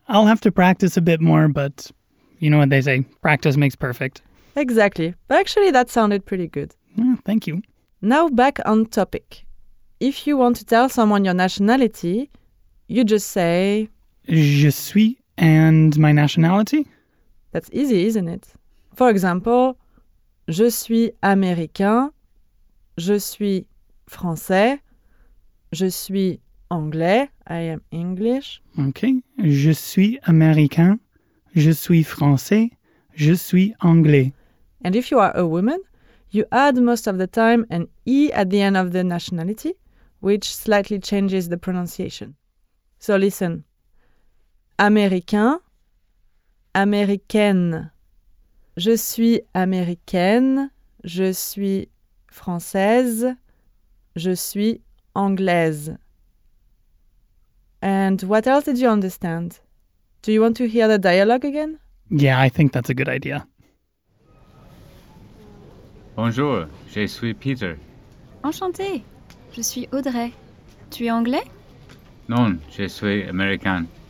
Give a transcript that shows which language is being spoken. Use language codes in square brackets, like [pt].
[en] I'll have to practice a bit more, but you know what they say, practice makes perfect. Exactly. But actually, that sounded pretty good. Yeah, thank you. Now back on topic. If you want to tell someone your nationality, you just say... [fr] Je suis [en] and my nationality? That's easy, isn't it? For example, [fr] je suis américain, je suis français, je suis anglais, [en] I am English. [fr] Okay, je suis américain, je suis français, je suis anglais. [en] And if you are a woman, you add most of the time an E at the end of the nationality, which slightly changes the pronunciation. So listen. [fr] Américain, américaine. Je suis américaine, je suis française, je suis anglaise. [en] And what else did you understand? Do you want to hear the dialogue again? Yeah, I think that's a good idea. [fr] Bonjour, je suis Peter. Enchanté, je suis Audrey. Tu es anglais? Non, je suis américain.